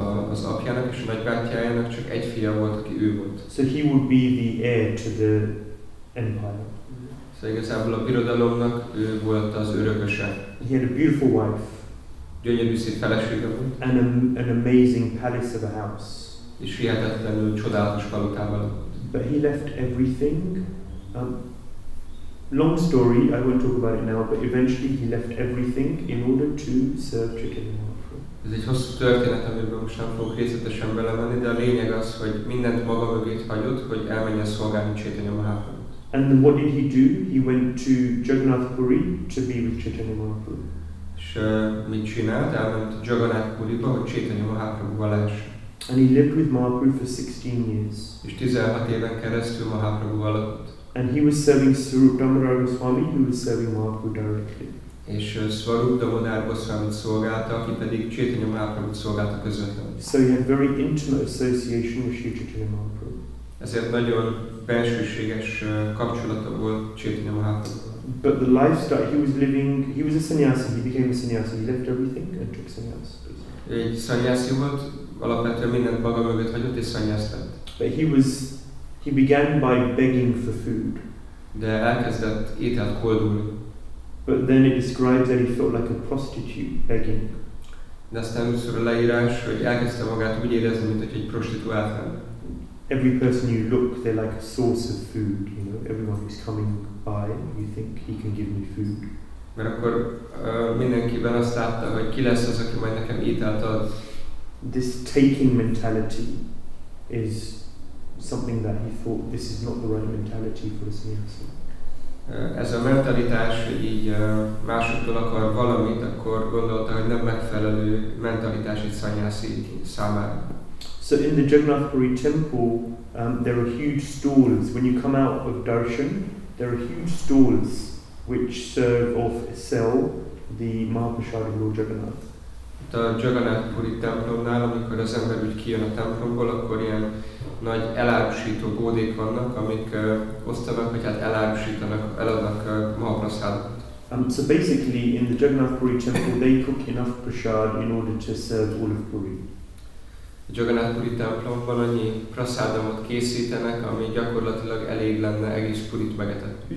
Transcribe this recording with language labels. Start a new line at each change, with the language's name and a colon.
Hungarian: Az apjának és a nagybátyájának csak egy fia volt, aki ő volt.
English: So he would be the heir to the empire.
Hungarian: So igazából a birodalomnak ő volt az örököse.
English: He had a beautiful wife.
Hungarian: Gyönyörű szép felesége volt.
English: And an amazing palace of a house.
Hungarian: És hihetetlenül csodálatos palotával.
English: But he left everything. Long story, I won't talk about it now, but eventually he left everything in order to serve Chaitanya Mahaprabhu.
Hungarian: Ez egy hosszú történet, amiben most nem fogok részletesen belemenni, de a lényeg az, hogy mindent maga mögött hagyott, hogy elmenjen szolgálni Chaitanya Mahaprabhu.
English: And then what did he do? He went to Jagannath Puri to be with Chaitanya Mahaprabhu.
Hungarian: És mit csinált? Elment Jagannath Puriba, hogy Chaitanya Mahaprabhuval lehessen.
English: And he lived with Mahaprabhu for 16 years.
Hungarian: És 16 éven keresztül Mahaprabhuval lakott.
English: And he was serving Swarup Damodar Goswami, who was serving Mahaprabhu directly.
Hungarian: És Swarup Damodar Goswami szolgálta, aki pedig Chaitanya Mahaprabhu szolgálta közvetlenül.
English: So he had very intimate association with Chaitanya Mahaprabhu.
Hungarian: Ezért nagyon belsőséges kapcsolata volt Chaitanya Mahaprabhu.
English: But the lifestyle he was living, he was a sannyasi, he became a sannyasi, he left everything and took sannyas.
Hungarian: Egy sannyasi volt, alapvetően mindent maga mögött hagyott és sannyas lett.
English: But he began by begging for food.
Hungarian: De elkezdett ételt koldulni.
English: But then it describes that he felt like a prostitute begging.
Hungarian: De aztán először a leírás, hogy elkezdte magát úgy érezni, mint hogy egy prostituált lenne.
English: Every person you look, they're like a source of food. You know, everyone who's coming by, you think he can give me food.
Hungarian: Mert akkor mindenkiben azt látta, hogy ki lesz az, aki majd nekem ételt ad.
English: This taking mentality is something that he thought this is not the right mentality for a sannyasi.
Hungarian: Ez a mentalitás, hogy így másoktól akar valamit, akkor gondolta, hogy nem megfelelő mentalitás egy sannyasi számára.
English: So in the Jagannath Puri temple, there are huge stalls. When you come out of darshan, there are huge stalls which serve off sell the Mahaprasad of Lord Jagannath.
Hungarian: A Jagannath Puri templomnál, amikor az ember úgy kijön a templomból, akkor ilyen nagy elárusító bódék vannak, amik osztanak, hogy hát elárusítanak, eladnak Mahaprasadot.
English: So basically, in the Jagannath Puri temple, they cook enough prasad in order to serve all of Puri.
Hungarian: A Jagannath Puri templomban annyi prasádamot készítenek, ami gyakorlatilag elég lenne egész Purit megetetni.